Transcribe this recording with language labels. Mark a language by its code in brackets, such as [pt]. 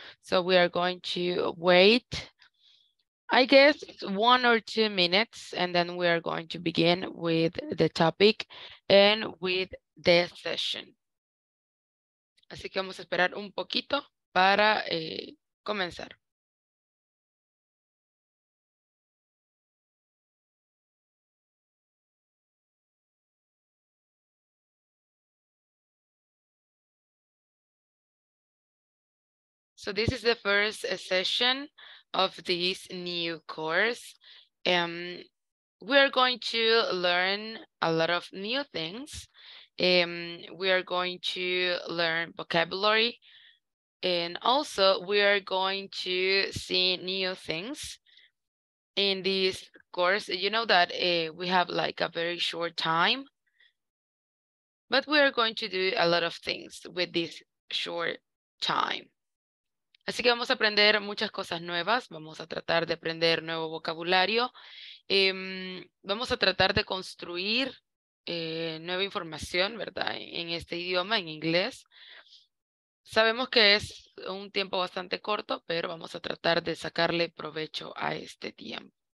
[en] So we are going to wait, I guess, 1 or 2 minutes, and then we are going to begin with the topic and with the session. [es] Así que vamos a esperar un poquito para comenzar. [en] So this is the first session of this new course. We are going to learn a lot of new things. We are going to learn vocabulary, and also we are going to see new things in this course. You know that we have like a very short time, but we are going to do a lot of things with this short time. [es] Así que vamos a aprender muchas cosas nuevas, vamos a tratar de aprender nuevo vocabulario, vamos a tratar de construir nueva información, ¿verdad? En este idioma, en inglés. Sabemos que es un tiempo bastante corto, pero vamos a tratar de sacarle provecho a este tiempo.